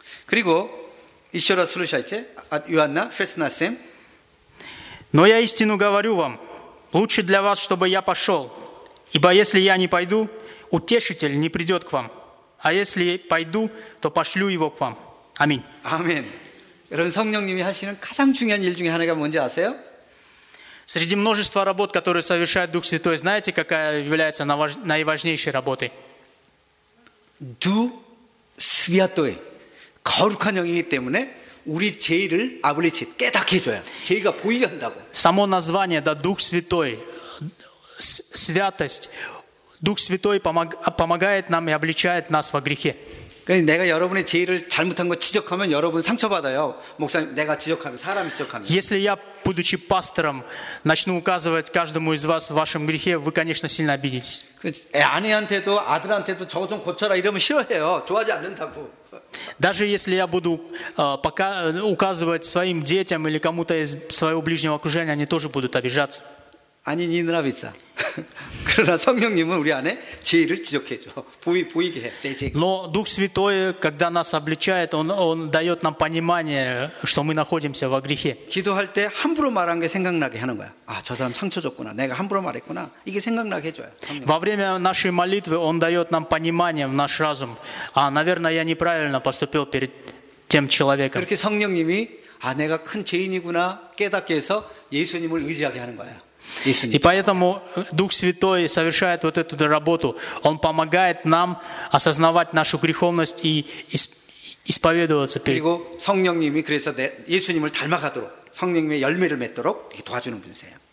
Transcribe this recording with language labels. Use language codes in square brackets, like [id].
[ko] 그리고 [ru] еще раз слушайте, от Иоанна 16:7. Но я истину говорю вам, лучше для вас, чтобы я пошел, ибо если я не пойду, утешитель не придет к вам, а если пойду, то пошлю его к вам. Аминь. Аминь. [ko] 여러분, 성령님이 하시는 가장 중요한 일 중에 하나가 뭔지 아세요? [ru] Среди множества работ, которые совершает Дух Святой, знаете, какая является наиважнейшей работой? Дух Святой. [ko] 거룩한 영이기 때문에 우리 죄를 아버지 깨닫게 해줘요. 죄가 보이게 한다고. [ru] Само название, да, Дух Святой, святость, Дух Святой помогает нам и обличает нас во грехе. [ko] 내가 여러분의 죄를 잘못한 거 지적하면 여러분 상처받아요. 목사님, 내가 지적하면 사람이 지적하면. [ru] Если я, будучи пастором, начну указывать каждому из вас в вашем грехе, вы, конечно, сильно обидитесь. [ko] 아내한테도 아들한테도 저거 좀 고쳐라 이러면 싫어해요. 좋아하지 않는다고. [ru] Даже если я буду пока указывать своим детям или кому-то из своего ближнего окружения, они тоже будут обижаться. [ko] 아니, 니 누나 비싸. 그러나 성령님은 우리 안에 죄를 지적해 줘. 보이게 해. 내 죄. [ru] Но Дух Святой, когда нас обличает, он даёт нам понимание, что мы находимся во грехе. [ko] 기도할 때 함부로 말한 게 생각나게 하는 거야. 아, 저 사람 상처 줬구나. 내가 함부로 말했구나. 이게 생각나게 해 줘요. [ru] Во время нашей молитвы он даёт нам понимание в наш разум. 아, наверное, я неправильно поступил перед тем человеком. [ko] 그렇게 성령님이 아, 내가 큰 죄인이구나 깨닫게 해서 예수님을 의지하게 하는 거야. [ru] И поэтому Дух Святой совершает вот эту работу. Он помогает нам осознавать нашу греховность и исповедоваться перед. [ko] 그리고 성령님이 그래서 예수님을 닮아가도록 성령님의 열매를 맺도록 도와주는 분이세요.